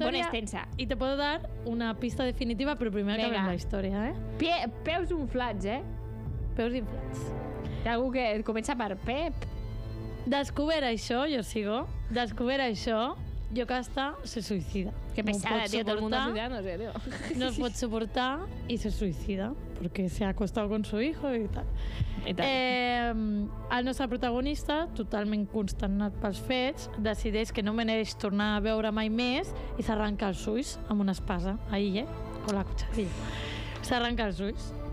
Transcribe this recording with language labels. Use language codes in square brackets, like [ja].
[es] Me pones tensa. [ca] I [es] te puedo dar [ca] una pista definitiva, però primer acabem la història, eh? Peus inflats, eh? Peus inflats. Hi ha algú que comença per Pep? Descobert això, jo sigo. Descobert això, Yocasta se suïcida. [es] Que pesada, tío, todo el mundo suicidando, o sea, tío. [ca] No es pot suportar i se suïcida perquè se ha acostat [es] con su hijo [ca] i tal. El nostre protagonista, totalment consternat pels fets, decideix que no mereix tornar a veure mai més i s'arrenca els ulls amb una espasa. [es] Ahí, eh? O la cucharilla. [ca] S'arrenca els ulls.